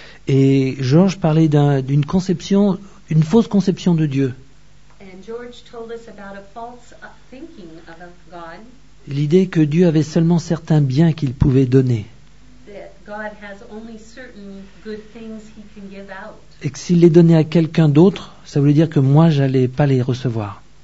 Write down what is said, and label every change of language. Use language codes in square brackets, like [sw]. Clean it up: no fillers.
[fr] Et George parlait d'une conception, une fausse conception de Dieu. [en] And George told us about a false thinking of God. [fr] L'idée que Dieu avait seulement certains biens qu'il pouvait donner. [en] God has only certain good things he can give out. [fr] Et que s'il les donnait à quelqu'un d'autre, ça voulait dire que moi, je n'allais pas les recevoir.